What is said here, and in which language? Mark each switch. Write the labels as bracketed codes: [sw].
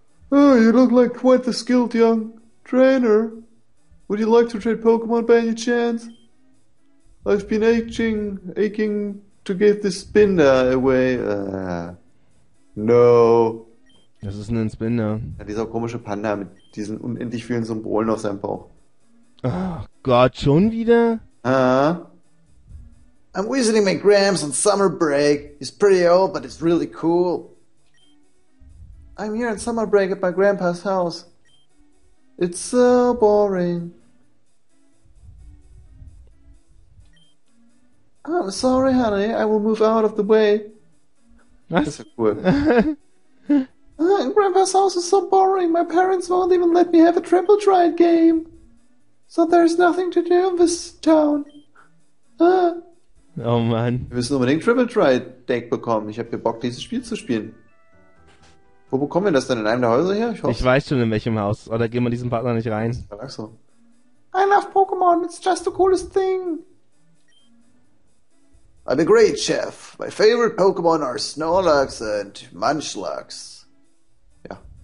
[en] Oh, you look like quite the skilled young trainer. Would you like to trade Pokémon by any chance? I've been aching to give this Spinner away. No. [de] Das ist ein Spinner. Ja, dieser komische Panda mit diesen unendlich vielen Symbolen auf seinem Bauch. Oh Gott, schon wieder? [en] I'm visiting my Gramps on summer break. He's pretty old, but it's really cool. I'm here on summer break at my grandpa's house. It's so boring. I'm sorry, honey. I will move out of the way. [de] Was? Das ist ja cool. [en] Grandpa's house is so boring. My parents won't even let me have a Triple Triad game. So there's nothing to do in this town. Oh, man. [de] Wir müssen unbedingt Triple Triad Deck bekommen. Ich habe hier Bock, dieses Spiel zu spielen. Wo bekommen wir das denn? In einem der Häuser hier? Ich hoffe. Ich weiß schon, in welchem Haus. Oder gehen wir diesem Partner nicht rein? Ach so. [en] I love Pokémon. It's just the coolest thing. I'm a great chef. My favorite Pokémon are Snorlax and Munchlax. Ja.